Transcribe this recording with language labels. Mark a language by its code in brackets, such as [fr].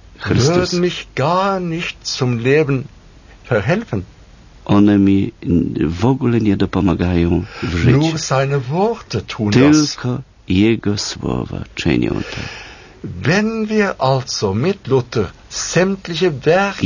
[de] würden mich gar nicht zum Leben verhelfen. [pl] One mi w ogóle nie dopomagają w życiu. [de] Nur seine Worte tun das. [pl] Tylko Jego słowa czynią to. [de] Wenn wir also mit Luther sämtliche Werke